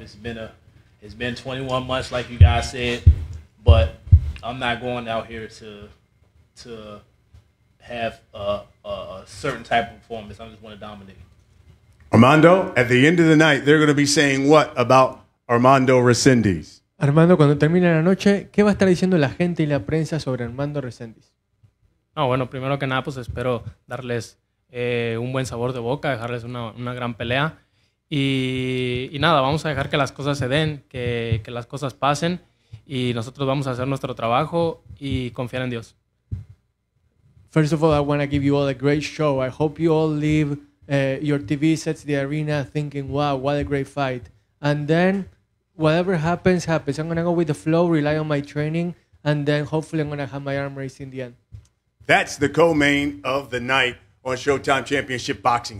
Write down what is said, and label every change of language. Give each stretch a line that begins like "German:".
English: It's been 21 months, like you guys said, but I'm not going out here to have a certain type of performance. I just want to dominate. Armando, at the end of the night, they're going to be saying what about Armando Resendiz?
Spanish: Armando, cuando termine la noche, ¿qué va a estar diciendo la gente y la prensa sobre Armando Resendiz? No, bueno, primero que nada, pues espero darles un buen sabor de boca, dejarles una gran pelea. Y nada, vamos a dejar que las cosas se den, que las cosas pasen, y nosotros vamos a hacer nuestro trabajo y confiar en Dios.
English: First of all, I want to give you all a great show. I hope you all leave your TV sets, the arena, thinking, wow, what a great fight. And then, whatever happens, happens. I'm going to go with the flow, rely on my training, and then hopefully I'm going to have my arm raised in the end. That's the co-main of the night on Showtime Championship Boxing.